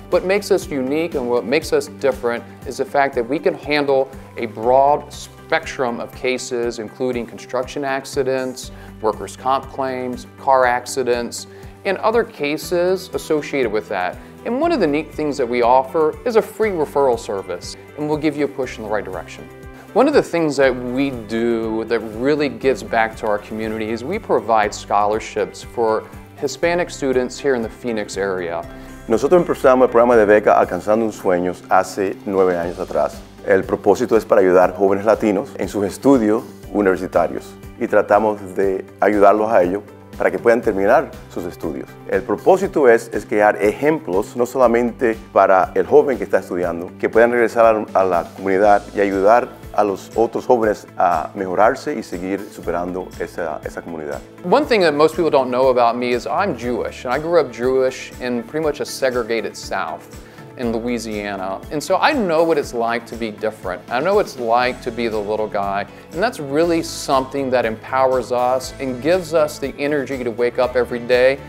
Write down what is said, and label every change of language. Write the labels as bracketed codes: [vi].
[en] What makes us unique and what makes us different is the fact that we can handle a broad spectrum of cases, including construction accidents, workers' comp claims, car accidents, and other cases associated with that. And one of the neat things that we offer is a free referral service, and we'll give you a push in the right direction. One of the things that we do that really gives back to our community is we provide scholarships for Hispanic students here in the Phoenix area. [es] Nosotros empezamos el programa de beca Alcanzando un Sueño hace 9 años atrás. El propósito es para ayudar jóvenes latinos en sus estudios universitarios y tratamos de ayudarlos a ello para que puedan terminar sus estudios. El propósito es crear ejemplos, no solamente para el joven que está estudiando, que puedan regresar a la comunidad y ayudar a los otros jóvenes a mejorarse y seguir superando esa comunidad. [en] One thing that most people don't know about me is I'm Jewish, and I grew up Jewish in pretty much a segregated South in Louisiana. And so I know what it's like to be different. I know what it's like to be the little guy. And that's really something that empowers us and gives us the energy to wake up every day.